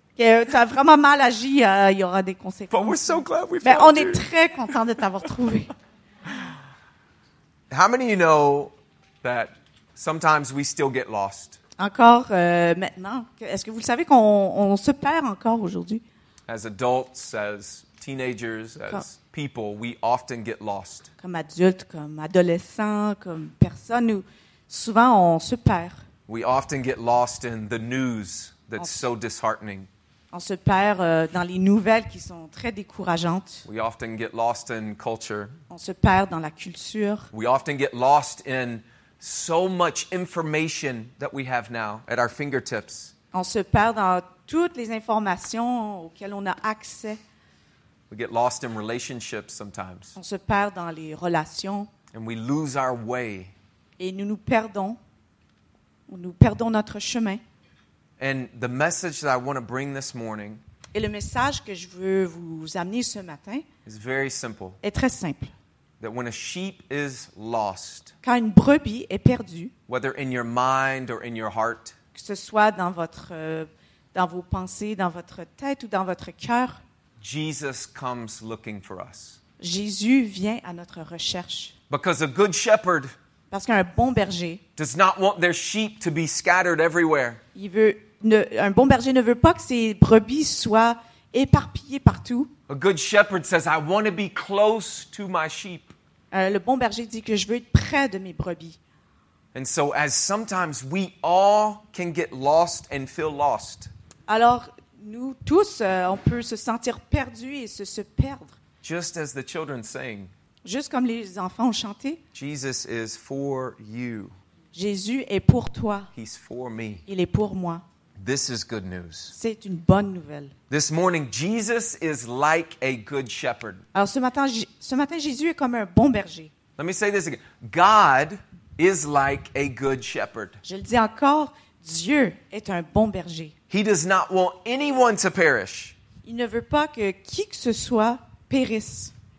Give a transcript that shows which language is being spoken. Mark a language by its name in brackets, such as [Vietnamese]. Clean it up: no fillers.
[French] Que tu as vraiment mal agi, il y aura des conséquences. [English] But we're so glad we found you. [French] Mais on est très content de t'avoir trouvé. [English] How many of you know that sometimes we still get lost? [French] Encore maintenant. Est-ce que vous le savez qu'on on se perd encore aujourd'hui? [English] As adults, as teenagers, as people, we often get lost. [French] Comme adulte, comme adolescent, comme personne, nous, souvent on se perd. [English] We often get lost in the news that's so disheartening. [French] On se perd dans les nouvelles qui sont très décourageantes. [English] We often get lost in culture. [French] On se perd dans la culture. [English] We often get lost in so much information that we have now at our fingertips. [French] On se perd dans toutes les informations auxquelles on a accès. [English] We get lost in relationships sometimes. [French] On se perd dans les relations. [English] And we lose our way. [French] Et nous nous perdons. Nous perdons notre chemin. [English] And the message that I want to bring this morning. [French] Et le message que je veux vous amener ce matin. [English] Is very simple. [French] Est très simple. [English] That when a sheep is lost. [French] Quand une brebis est perdue. [English] Whether in your mind or in your heart. [French] Que ce soit dans votre dans vos pensées, dans votre tête ou dans votre cœur. [English] Jesus comes looking for us. [French] Jésus vient à notre recherche. [English] Because a good shepherd. [French] Parce qu'un bon berger. [English] Does not want their sheep to be scattered everywhere. [French] Il veut un bon berger ne veut pas que ses brebis soient éparpillées partout. [English] A good shepherd says, I want to be close to my sheep. [French] Le bon berger dit que je veux être près de mes brebis. [English] And so as sometimes we all can get lost and feel lost. [French] Alors nous tous, on peut se sentir perdu et se perdre. [English] Just as the children sing. [French] Juste comme les enfants ont chanté. [English] Jesus is for you. [French] Jésus est pour toi. [English] He's for me. [French] Il est pour moi. [English] This is good news. [French] C'est une bonne nouvelle. [English] This morning, Jesus is like a good shepherd. [French] Alors ce matin, Jésus est comme un bon berger. [English] Let me say this again. God is like a good shepherd. [French] Je le dis encore. Dieu est un bon berger. [English] He does not want anyone to perish. [French] Il ne veut pas que qui que ce soit périsse.